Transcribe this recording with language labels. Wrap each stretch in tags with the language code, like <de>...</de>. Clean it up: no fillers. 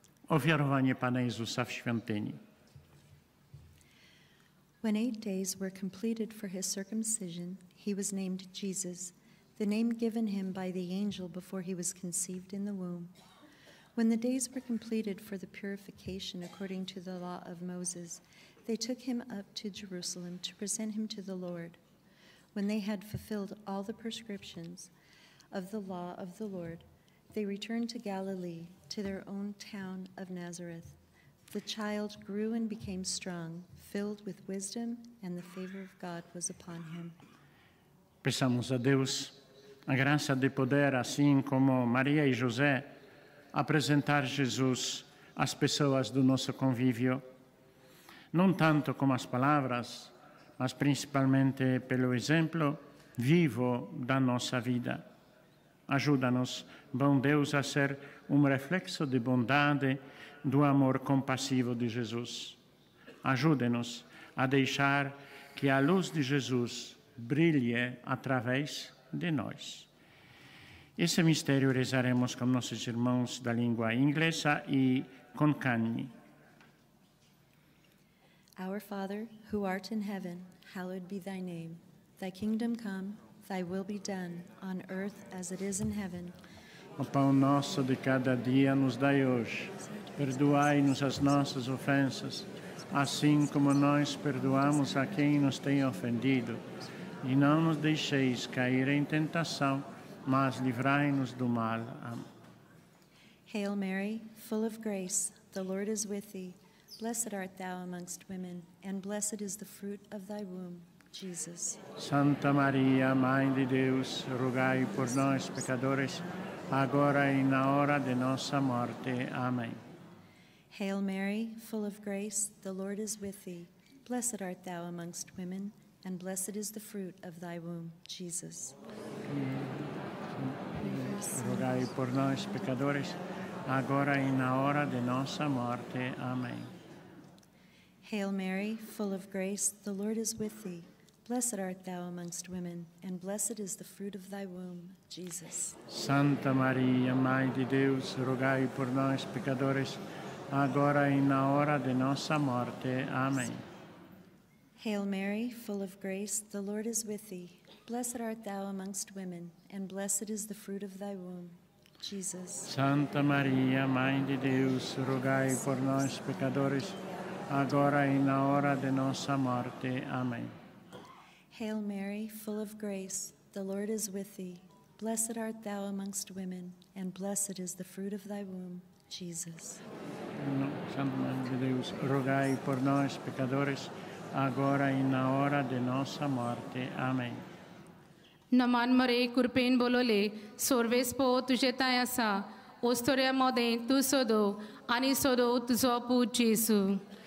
<pl>Ofiarowanie Pana Jezusa w świątyni.</pl> <en>When 8 days were completed for his circumcision, he was named Jesus, the name given him by the angel before he was conceived in the womb. When the days were completed for the purification according to the law of Moses, they took him up to Jerusalem to present him to the Lord. When they had fulfilled all the prescriptions of the law of the Lord, they returned to Galilee, to their own town of Nazareth. The child grew and became strong, filled with wisdom, and the favor of God was upon him.</en> <pt>Peçamos a Deus a graça de poder, assim como Maria e José, apresentar Jesus às pessoas do nosso convívio, não tanto com as palavras, mas principalmente pelo exemplo vivo da nossa vida. Ajuda-nos, bom Deus, a ser reflexo de bondade do amor compassivo de Jesus. Ajude-nos a deixar que a luz de Jesus brilhe através de nós. Esse mistério rezaremos com nossos irmãos da língua inglesa e com Cagni.</pt> <en>Our Father, who art in heaven, hallowed be thy name. Thy kingdom come, thy will be done, on earth as it is in heaven.</en> <pt>O pão nosso de cada dia nos dai hoje. Perdoai-nos as nossas ofensas, assim como nós perdoamos a quem nos tem ofendido. E não nos deixeis cair em tentação, mas livrai-nos do mal. Amém.</pt> <en>Hail Mary, full of grace, the Lord is with thee. Blessed art thou amongst women, and blessed is the fruit of thy womb, Jesus.</en> <pt>Santa Maria, Mãe de Deus, rogai por nós, pecadores, agora e na hora de nossa morte. Amém.</pt> <en>Hail Mary, full of grace, the Lord is with thee. Blessed art thou amongst women, and blessed is the fruit of thy womb, Jesus.</en> <pt>Rogai por nós, pecadores, agora e na hora de nossa morte. Amém.</pt> <en>Hail Mary, full of grace, the Lord is with thee. Blessed art thou amongst women, and blessed is the fruit of thy womb, Jesus.</en> <pt>Santa Maria, Mãe de Deus, rogai por nós, pecadores, agora e na hora de nossa morte. Amém.</pt> <en>Hail Mary, full of grace, the Lord is with thee. Blessed art thou amongst women, and blessed is the fruit of thy womb, Jesus.</en> <pt>Santa Maria, Mãe de Deus, rogai por nós, pecadores, agora e na hora de nossa morte. Amém.</pt> <en>Hail Mary, full of grace, the Lord is with thee. Blessed art thou amongst women, and blessed is the fruit of thy womb, Jesus.</en> <pt>Santa Mãe de Deus, rogai por nós, pecadores, agora e na hora de nossa morte. Amém. Naman marei kurpen bolole, sorves po tujetai asa, ostoria modem tu sodo, ani sodo tu sopu, Jesus.</pt>